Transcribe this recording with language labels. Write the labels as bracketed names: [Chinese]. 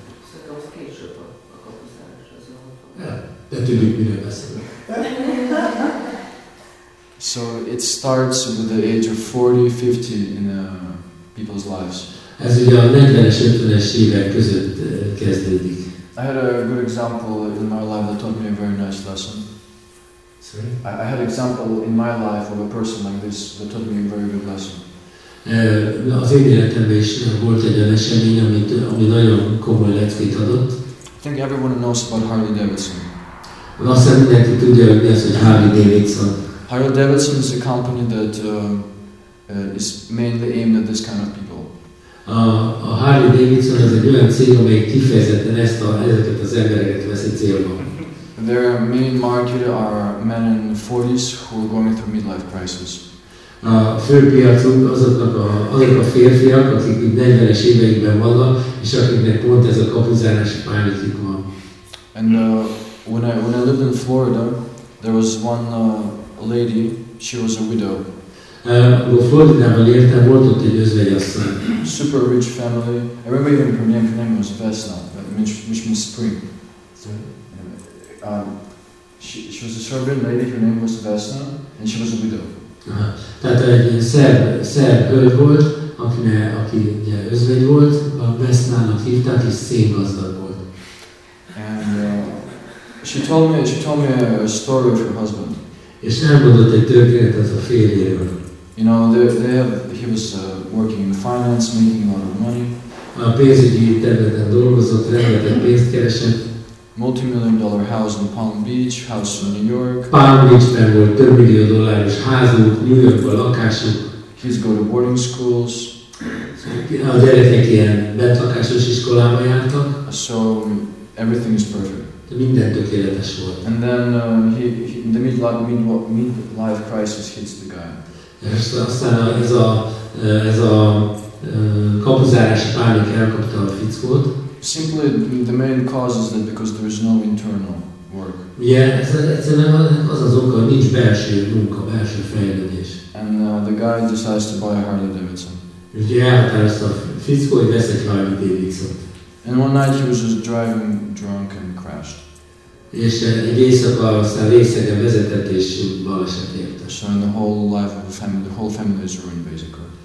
[Hungarian] Szerintem az később a kapuzárás. De tudjuk, miről beszélünk. [English] So it starts with the age of 40, 50 in people's lives. [Hungarian] Ez ugye a 40-es, 50-es évek között kezdődik. [English] I had a good example in my life that taught me a very nice lesson. Sorry? I had an example in my life of a person like this that taught me a very good lesson. [Hungarian] Az én életemben is volt egy olyan esemény, ami nagyon komoly leckét adott. [English] I think everyone knows about Harley Davidson. [Hungarian] Azt hiszem, mindenki tudja, hogy mi az, hogy Harley Davidson. [English] Harley Davidson is a company that is mainly aimed at this kind of people. [Hungarian] A Harley Davidson az egy olyan cég, amely kifejezetten ezeket az embereket veszi célba. [English] Their main market are men in the 40s who are going through midlife crisis. [Hungarian] A fő piacunk azok a férfiak, akik 40-es éveikben vannak, és akiknek pont ez a kapuzárási pályájuk van. [English] And when I lived in Florida, there was one lady, she was a widow. [Hungarian] A Floridában éltem, volt ott egy özvegyasszony. [English] Super rich family. I remember even her name was Vesna, Mishma Spring. Sorry? She was a Serbian lady, her name was Vesna, and she was a widow. [Hungarian] Tehát egy szerb hölgy volt, aki ugye özvegy volt, a Vesnának hívták, és széngazdag volt. [English] And she told me a story of her husband. [Hungarian] És elmondott egy történetet az a férjéről. [English] You know, he was working in finance, making a lot of money. [Hungarian] A pénzügyi területen dolgozott, rengeteg pénzt keresett. [English] Multi-million dollar house in Palm Beach, house in New York. [Hungarian] Palm Beach-ben volt több millió dolláros házunk, New York-ban lakásunk. [English] Kids go to boarding schools. [Hungarian] A gyerekek ilyen bentlakásos iskolába jártak. [English] So everything is perfect. [Hungarian] De minden tökéletes volt. [English] And then the midlife crisis hits the guy. [Hungarian] És aztán ez a kapuzárás pánik elkapta a fickót. [English] Simply, the main cause is that because there is no internal work. [Hungarian] Yeah, az oka, nincs belső munka, belső fejlődés. [English] And the guy decides to buy a Harley Davidson. And one night he was just driving drunk and crashed. [Hungarian] És egy éjszaka aztán részegen vezetett és baleset érte. [English] So in the whole life of a family, the whole family is ruined basically.